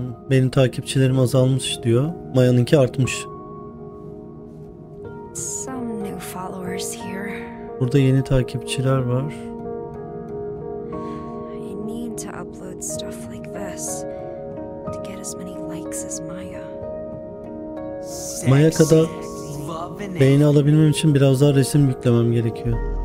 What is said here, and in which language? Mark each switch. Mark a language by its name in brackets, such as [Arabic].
[Turkish] Benim takipçilerim azalmış diyor. Maya'nınki artmış. [English] Some new followers here. [Turkish] Burada yeni takipçiler var. [English] I need to upload stuff like this to get as many likes as Maya. [Turkish] Maya kadar beğeni alabilmem için biraz daha resim yüklemem gerekiyor.